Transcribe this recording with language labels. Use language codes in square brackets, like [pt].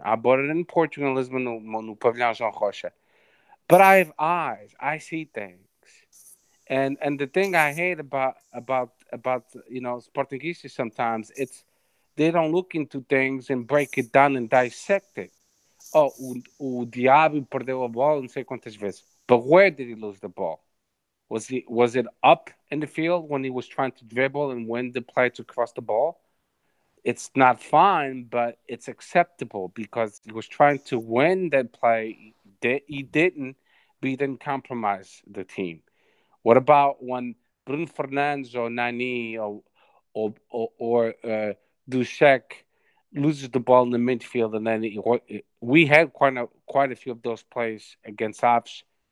[en] I bought it in Portugal, Lisbon, no Pavilhão João Rocha. But I have eyes. I see things. And the thing I hate about you know, Sportingistas sometimes, it's they don't look into things and break it down and dissect it. [pt] Oh, o Diabo perdeu a bola não sei quantas vezes. [en] But where did he lose the ball? Was it up in the field when he was trying to dribble and win the play to cross the ball? It's not fine, but it's acceptable because he was trying to win that play. But he didn't compromise the team. What about when Bruno Fernandes or Nani or Dushek loses the ball in the midfield, and then we had quite a few of those plays against Ops.